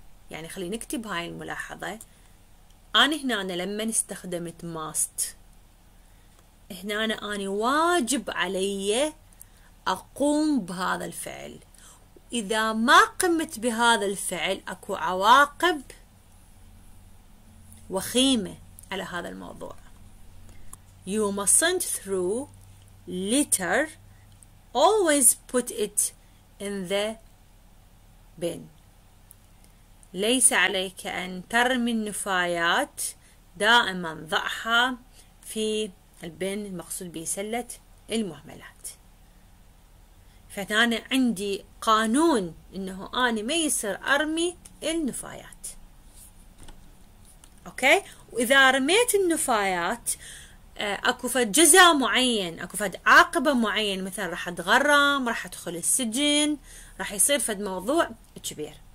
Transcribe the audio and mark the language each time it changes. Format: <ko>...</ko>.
<ar>يعني خلينا نكتب هاي الملاحظة، أنا هنا أنا لما استخدمت must، هنا أنا واجب علي أقوم بهذا الفعل، إذا ما قمت بهذا الفعل أكو عواقب وخيمة على هذا الموضوع.</ar> <en>You mustn't throw litter, always put it in the bin.</en> <ar>ليس عليك أن ترمي النفايات، دائما ضعها في البن، المقصود به سلة المهملات. فأنا عندي قانون إنه أنا ما يصير أرمي النفايات، أوكي؟ وإذا رميت النفايات أكو فد جزاء معين، أكو فد عاقبة معين، مثلا راح أتغرم، راح أدخل السجن، راح يصير فد موضوع كبير.</ar>